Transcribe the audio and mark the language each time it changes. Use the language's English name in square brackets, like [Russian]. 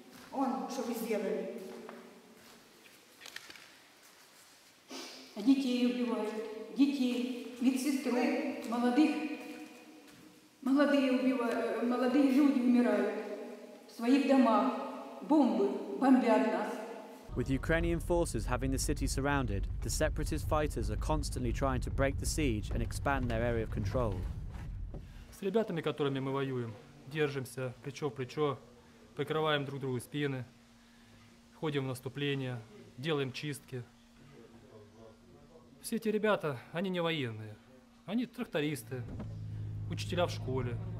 [Russian] Вон, что вы сделали. А детей убивают. Детей, медсестры, молодых. Молодые убивают, молодые люди умирают в своих домах. Бомбы бомбят нас. [English] With Ukrainian forces having the city surrounded, the separatist fighters are constantly trying to break the siege and expand their area of control. [Russian] С ребятами, которыми мы воюем, держимся плечо в плечо, прикрываем друг другу спины, ходим в наступление, делаем чистки. Все эти ребята, они не военные, они трактористы, учителя в школе.